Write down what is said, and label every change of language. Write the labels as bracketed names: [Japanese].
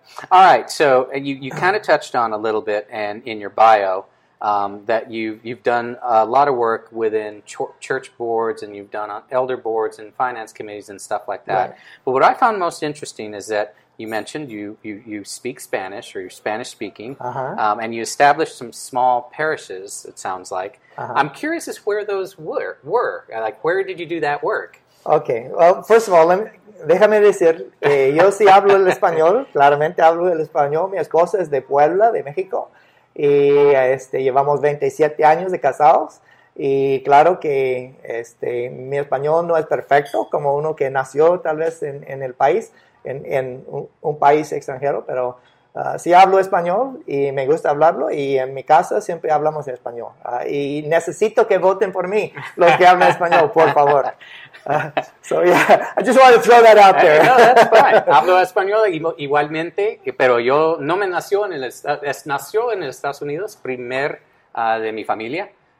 [English] All right, so you kind of touched on a little bit, and in your bio, that you've done a lot of work within church boards, and you've done on elder boards and finance committees and stuff like that. Right. But what I found most interesting is that. You mentioned you speak Spanish, or you're Spanish-speaking, uh-huh. And you established some small parishes, it sounds like. Uh-huh. I'm curious as where those were. Like, where did you do that work? Okay. Well, first of all, [Spanish] déjame decir que yo sí hablo el español, claramente hablo el español. Mi esposa es de Puebla, de México, y llevamos 27 años de casados, y claro que mi español no es perfecto, como uno que nació tal vez en el país, en un país extranjero, pero sí hablo español y me gusta hablarlo, y en mi casa siempre hablamos en español. Y necesito que voten por mí los que hablan español, por favor. [English] So yeah, I just wanted to throw that out there. No, that's fine. [Spanish] Hablo español igualmente, pero yo no me nació en el nació en Estados Unidos, primer de mi familia.